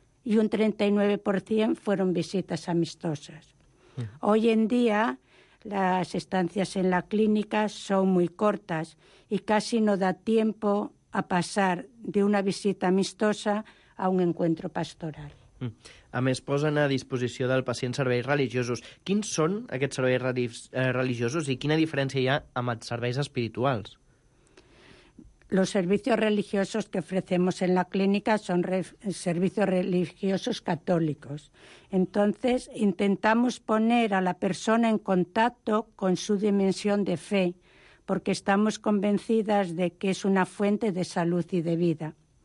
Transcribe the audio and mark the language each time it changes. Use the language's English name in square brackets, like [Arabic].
[Spanish] Y un 39% fueron visitas amistosas. Hoy en día, las estancias en la clínica son muy cortas y casi no da tiempo a pasar de una visita amistosa a un encuentro pastoral. [Catalan] A més, posen a disposició del pacient serveis religiosos. Quins són aquests serveis religiosos i quina diferència hi ha amb els serveis espirituals? [Spanish] Los servicios religiosos que ofrecemos en la clínica son servicios religiosos católicos. Entonces, intentamos poner a la persona en contacto con su dimensión de fe, porque estamos convencidas de que es una fuente de salud y de vida.